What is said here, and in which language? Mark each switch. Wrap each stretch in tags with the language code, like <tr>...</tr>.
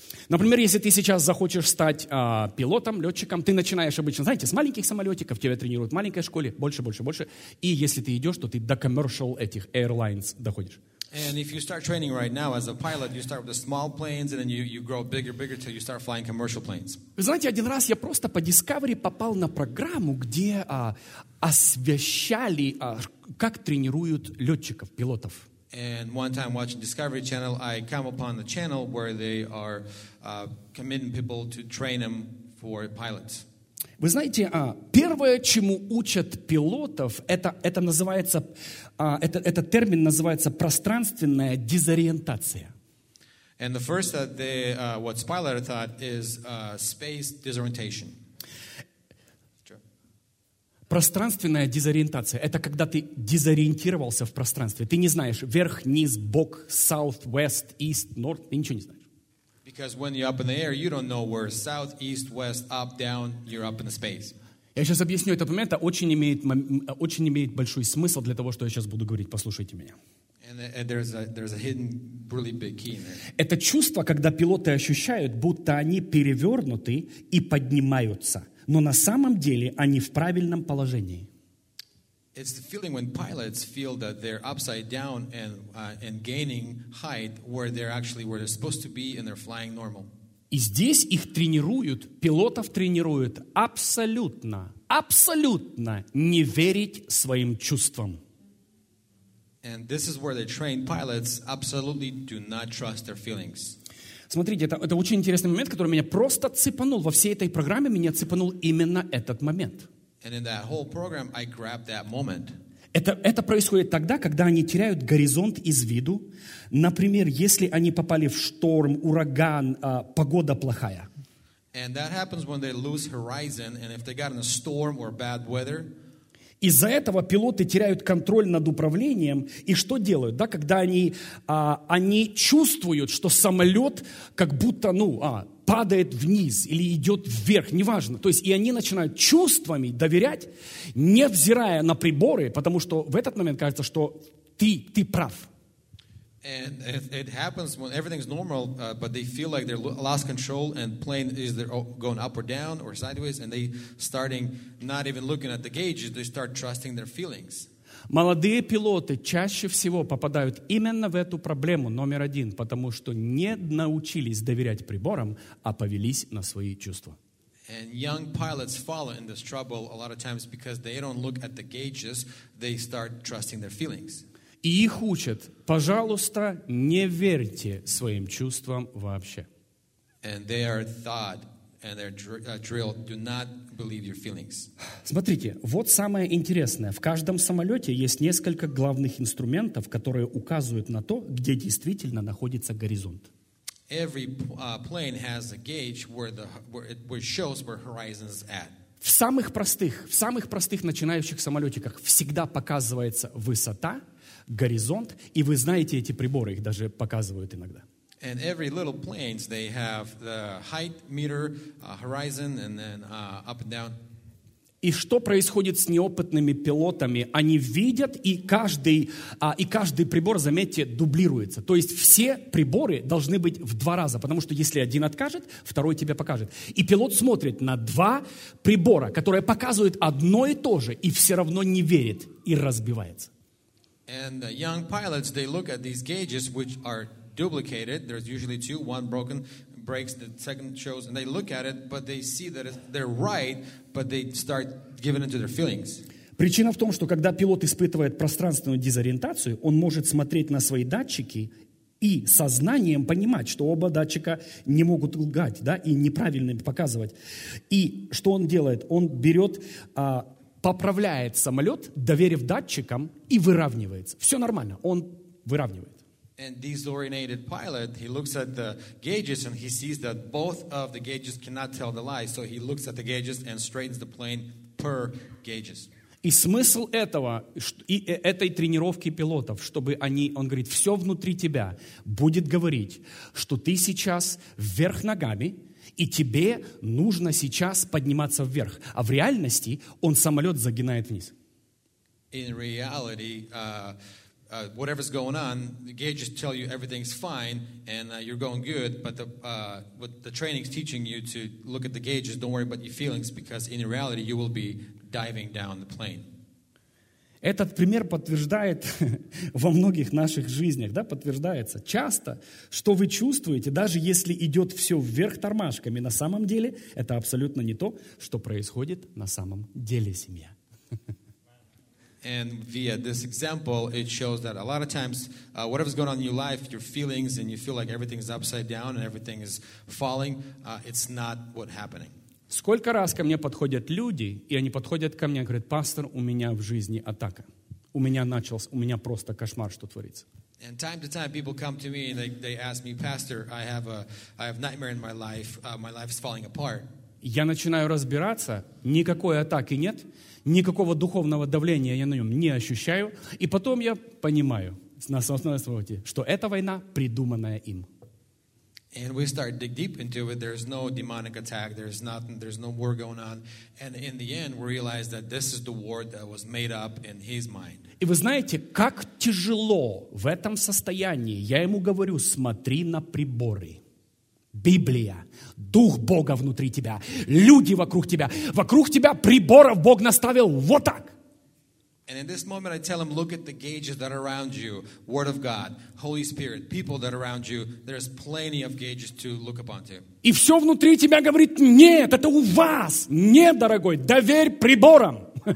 <ru>Например, если ты сейчас захочешь стать пилотом, летчиком, ты начинаешь обычно, знаете, с маленьких самолетиков, тебя тренируют в маленькой школе, больше, больше, больше. И если ты идешь, то ты до</ru> <en>commercial</en> <ru>этих</ru> <en>airlines</en> <ru>доходишь.</ru> <en>And if you start training right now as a pilot, you start with the small planes, and then you grow bigger, bigger, till you start flying commercial planes.</en> <ru>Вы знаете, один раз я просто по Discovery попал на программу, где освещали, как тренируют летчиков, пилотов.</ru> <en>And one time watching Discovery Channel, I come upon the channel where they are committing people to train them for pilots.</en> <ru>Вы знаете, первое, чему учат пилотов, это называется, этот термин называется пространственная дезориентация.</ru> <en>And the first that they, what Spiler thought is space disorientation.</en> <ru>Пространственная дезориентация — это когда ты дезориентировался в пространстве. Ты не знаешь верх, низ, бок,</ru> <en>south, west, east, north,</en> <ru>ты ничего не знаешь.</ru> <en>Because when you're up in the air, you don't know where south, east, west, up, down, you're up in the space.</en> <ru>Я сейчас объясню этот момент, очень имеет большой смысл для того, что я сейчас буду говорить. Послушайте меня.</ru> <en>And there's a hidden, really big key in there.</en> <ru>Это чувство, когда пилоты ощущают, будто они перевернуты и поднимаются, но на самом деле они в правильном положении.</ru> <en>It's the feeling when pilots feel that they're upside down and gaining height where they're supposed to be and they're flying normal.</en> <ru>И здесь их тренируют, пилотов тренируют абсолютно, абсолютно не верить своим чувствам.</ru> <en>And this is where they train pilots absolutely do not trust their feelings.</en> <ru>Смотрите, это очень интересный момент, который меня просто цепанул. Во всей этой программе меня цепанул именно этот момент.</ru> <en>And in that whole program, I grabbed that moment.</en> <ru>Это происходит тогда, когда они теряют горизонт из виду. Например, если они попали в шторм, ураган, погода плохая.</ru> <en>And that happens when they lose horizon, and if they got in a storm or bad weather.</en> <ru>Из-за этого пилоты теряют контроль над управлением. И что делают, да, когда они чувствуют, что самолет как будто, падает вниз или идет вверх, неважно. То есть и они начинают чувствами доверять, невзирая на приборы, потому что в этот момент кажется, что ты прав.</ru> <en>And it happens when everything's normal, but they feel like they're lost control and plane is going up or down or sideways, and they starting not even looking at the gauges, they start trusting their feelings.</en> <ru>Молодые пилоты чаще всего попадают именно в эту проблему номер один, потому что не научились доверять приборам, а повелись на свои чувства.</ru> <en>And young pilots fall in this trouble a lot of times because they don't look at the gauges, they start trusting their feelings.</en> <ru>И их учат, пожалуйста, не верьте своим чувствам вообще.</ru> <en>And they are thought and they're drilled, do not believe your feelings.</en> <ru>Смотрите, вот самое интересное. В каждом самолете есть несколько главных инструментов, которые указывают на то, где действительно находится горизонт.</ru> <en>Every plane has a gauge where it shows where horizon is at.</en> <ru>В самых простых начинающих самолетиках всегда показывается высота, горизонт, и вы знаете эти приборы, их даже показывают иногда.</ru> <en>And every little planes, they have the height meter, horizon, and then up and down.</en> <ru>И что происходит с неопытными пилотами? Они видят, и каждый прибор, заметьте, дублируется. То есть все приборы должны быть в два раза, потому что если один откажет, второй тебе покажет. И пилот смотрит на два прибора, которые показывают одно и то же, и все равно не верит, и разбивается.</ru> <en>And the young pilots, they look at these gauges, which are duplicated. There's usually two, one broken, breaks, the second shows, and they look at it, but they see that they're right, but they start giving into their feelings.</en> <ru>Причина в том, что когда пилот испытывает пространственную дезориентацию, он может смотреть на свои датчики и сознанием понимать, что оба датчика не могут лгать, да, и неправильно показывать. И что он делает? Он берет... поправляет самолет, доверив датчикам, и выравнивается. Все нормально, он выравнивает.</ru> <en>And disoriented pilot, he looks at the gauges and he sees that both of the gauges cannot tell the lie, so he looks at the gauges and straightens the plane per gauges.</en> <ru>И смысл этого, и этой тренировки пилотов, чтобы они, он говорит, все внутри тебя будет говорить, что ты сейчас вверх ногами, и тебе нужно сейчас подниматься вверх. А в реальности он самолет загинает вниз.</ru> <en>In reality, whatever's going on, the gauges tell you everything's fine and you're going good, but the training's teaching you to look at the gauges, don't worry about your feelings, because in reality you will be diving down the plane.</en> <ru>Этот пример подтверждает во многих наших жизнях, да, подтверждается часто, что вы чувствуете, даже если идет все вверх тормашками, на самом деле это абсолютно не то, что происходит на самом деле, семья.</ru> <en>And via this example, it shows that a lot of times, whatever's going on in your life, your feelings, and you feel like everything's upside down and everything is falling, it's not what's happening.</en> <ru>Сколько раз ко мне подходят люди, и они подходят ко мне и говорят, пастор, у меня в жизни атака. У меня началось, у меня просто кошмар, что творится.</ru> <en>And time to time people come to me and they ask me, pastor, I have nightmare in my life, my life is falling apart.</en> <ru>Я начинаю разбираться, никакой атаки нет, никакого духовного давления я на нем не ощущаю, и потом я понимаю, на основе своего, что эта война придуманная им.</ru> <en>And we start dig deep into it. There's no demonic attack. There's nothing. There's no war going on. And in the end, we realize that this is the war that was made up in his mind.</en> <ru>И вы знаете, как тяжело в этом состоянии. Я ему говорю: смотри на приборы. Библия, Дух Бога внутри тебя, люди вокруг тебя. Вокруг тебя приборов Бог наставил вот так.</ru> <en>And in this moment I tell him, look at the gauges that are around you, Word of God, Holy Spirit, people that are around you, there's plenty of gauges to look upon to.</en> <ru>И все внутри тебя говорит, нет, это у вас, нет, дорогой, доверь приборам.</ru>